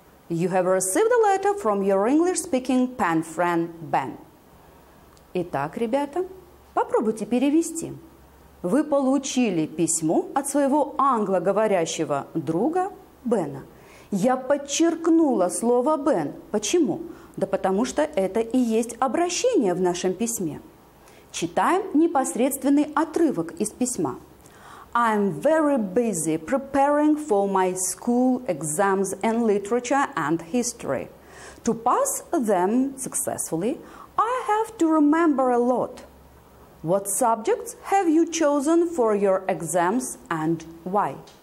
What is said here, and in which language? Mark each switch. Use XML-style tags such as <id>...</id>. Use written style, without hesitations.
<en>You have received a letter from your English-speaking pen friend Ben.</en> <ru>Итак, ребята, попробуйте перевести. Вы получили письмо от своего англоговорящего друга Бена. Я подчеркнула слово «Бен». Почему? Да потому что это и есть обращение в нашем письме. Читаем непосредственный отрывок из письма.</ru> <en>I'm very busy preparing for my school exams in literature and history. To pass them successfully, I have to remember a lot. What subjects have you chosen for your exams and why?</en>